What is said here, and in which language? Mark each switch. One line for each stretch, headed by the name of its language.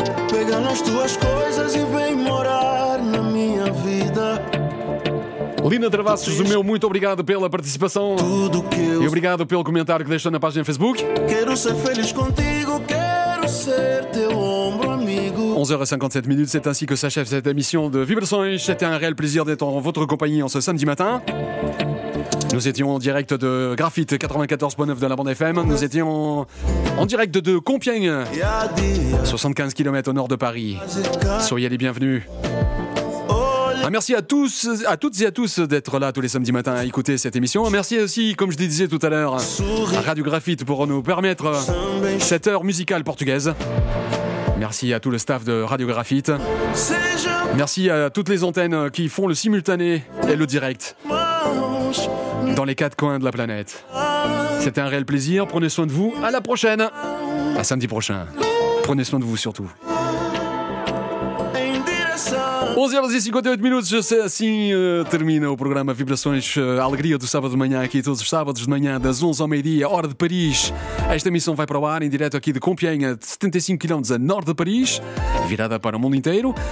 Portuguese: Pega nas tuas coisas e vem morar na minha vida. Lina Travassos, o meu muito obrigado pela participação. Tudo que eu... E obrigado pelo comentário que deixou na página Facebook. Quero ser feliz contigo, quero ser teu ombro amigo.
French: 11h57 minutes, c'est ainsi que s'achève cette émission de Vibrations. C'était un réel plaisir d'être en votre compagnie en ce samedi matin. Nous étions en direct de Graphite 94.9 de la bande FM. Nous étions en direct de Compiègne, 75 km au nord de Paris. Soyez les bienvenus. Un merci à tous, à toutes et à tous d'être là tous les samedis matins à écouter cette émission. Un merci aussi, comme je disais tout à l'heure, à Radio Graphite pour nous permettre cette heure musicale portugaise. Merci à tout le staff de Radio Graphite. Merci à toutes les antennes qui font le simultané et le direct dans les quatre coins de la planète. C'était un réel plaisir. Prenez soin de vous. À la prochaine. À samedi prochain. Prenez soin de vous surtout.
Portuguese: 11h10, 58 minutos, assim termina o programa Vibrações, Alegria do Sábado de Manhã, aqui todos os sábados de manhã, das 11 ao meio-dia, hora de Paris. Esta emissão vai para o ar em direto aqui de Compiègne, 75 km a norte de Paris, virada para o mundo inteiro.